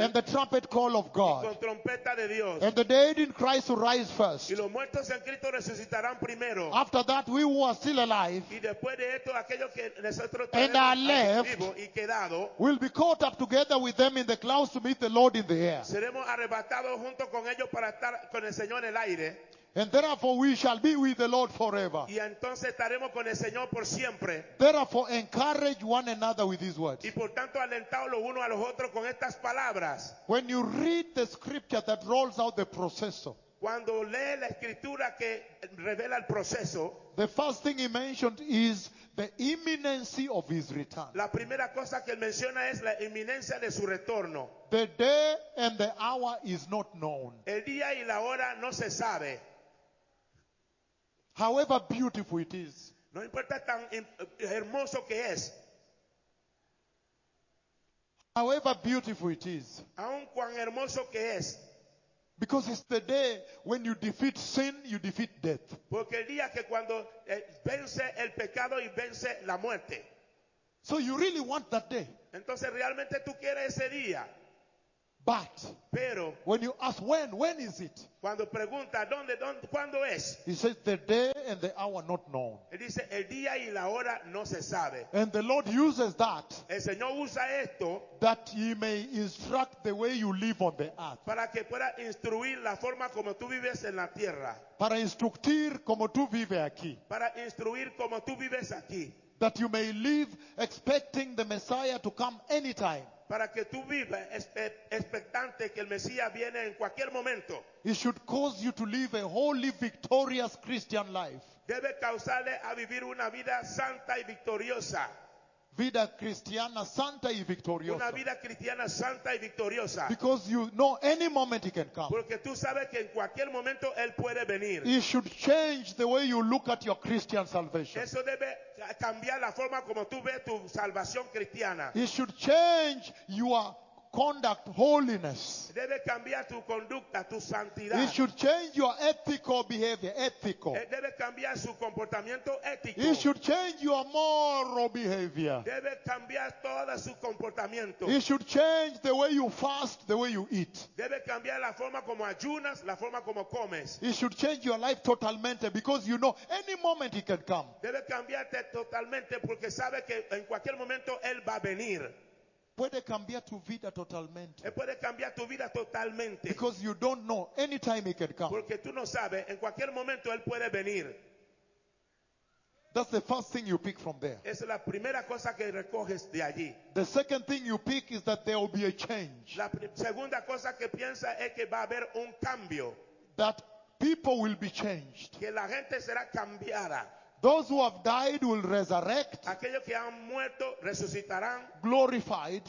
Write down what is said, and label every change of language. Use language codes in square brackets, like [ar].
[en] and the trumpet call of God, [es] y con trompeta de Dios, [en] and the dead in Christ will rise first, [es] y los muertos en Cristo resucitarán primero. [en] After that we who are still alive, [es] y después de esto aquellos que nosotros [en] and are left, [es] y quedado, [en] will be caught up together with them in the clouds to meet the Lord in the air. [es] Seremos arrebatados junto con ellos para estar con el Señor en el aire. [en] And therefore we shall be with the Lord forever. [es] Y entonces estaremos con el Señor por siempre. [en] Therefore encourage one another with these words. [es] Y por tanto alentaos los unos a los otros con estas palabras. [en] When you read the scripture that rolls out the proceso. [es] Cuando lee la escritura que revela el proceso. [en] The first thing he mentioned is the imminency of his return. [es] La primera cosa que él menciona es la inminencia de su retorno. [en] The day and the hour is not known. [es] El día y la hora no se sabe. [en] However beautiful it is. [es] No importa tan hermoso que es. [en] However beautiful it is. [es] Aun cuán hermoso que es. [en] Because it's the day when you defeat sin, you defeat death. [es] Porque el día que cuando vence el pecado y vence la muerte. [en] So you really want that day. [es] Entonces realmente tú quieres ese día. [en] But [es] pero, [en] when you ask when is it? [es] Cuando pregunta dónde cuándo es? [en] He says the day and the hour not known. [es] Él dice el día y la hora no se sabe. [en] And the Lord uses that. [es] El Señor usa esto. [en] That he may instruct the way you live on the earth. [es] Para que pueda instruir la forma como tú vives en la tierra. Para instruir como tú vives aquí. Para instruir como tú vives aquí. [en] That you may live expecting the Messiah to come anytime. [es] Para que tú vivas expectante que el Mesías viene en cualquier momento. [en] It should cause you to live a holy, victorious Christian life. [es] Debe causarle a vivir una vida santa y victoriosa. Vida cristiana santa y victoriosa. Una vida cristiana santa y victoriosa. [en] Because you know any moment he can come. [es] Porque tú sabes que en cualquier momento él puede venir. [en] It should change the way you look at your Christian salvation. [es] Eso debe cambiar la forma como tú ves tu salvación cristiana. [en] It should change your conduct, holiness. [es] Debe cambiar tu conducta, tu santidad. [en] It should change your ethical behavior, ethical. [es] Debe cambiar su comportamiento ético. [en] It should change your moral behavior. [es] Debe cambiar todo su comportamiento. [en] It should change the way you fast, the way you eat. [es] Debe cambiar la forma como ayunas, la forma como comes. [en] It should change your life totalmente because you know any moment he can come. [es] Debe cambiarte totalmente porque sabe que en cualquier momento él va a venir. Puede cambiar tu vida totalmente. Puede cambiar tu vida totalmente. [en] Because you don't know any time he can come. [es] Porque tú no sabes en cualquier momento él puede venir. [en] That's the first thing you pick from there. [es] Esa es la primera cosa que recoges de allí. [en] The second thing you pick is that there will be a change. [es] La segunda cosa que piensa es que va a haber un cambio. [en] That people will be changed. [es] Que la gente será cambiada. [en] Those who have died will resurrect. [es] Aquellos que han muerto resucitarán. [en] Glorified.